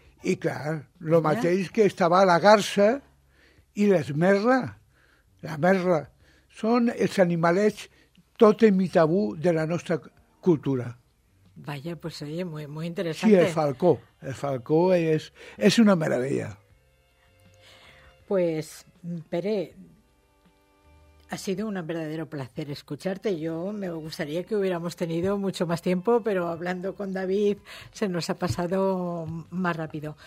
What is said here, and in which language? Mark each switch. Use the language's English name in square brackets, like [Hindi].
[Catalan] I clar, el mateix que estava la garça i l'esmerla. La merla. Són els animalets tot en mitabú de la nostra cultura. [Spanish] Vaja, pues oye, muy, muy interesante. [Catalan] Sí, el falcó. El falcó és una meravella. [Spanish] Pues, Pere, ha sido un verdadero placer escucharte. Yo me gustaría que hubiéramos tenido mucho más tiempo, pero hablando con David se nos ha pasado más rápido.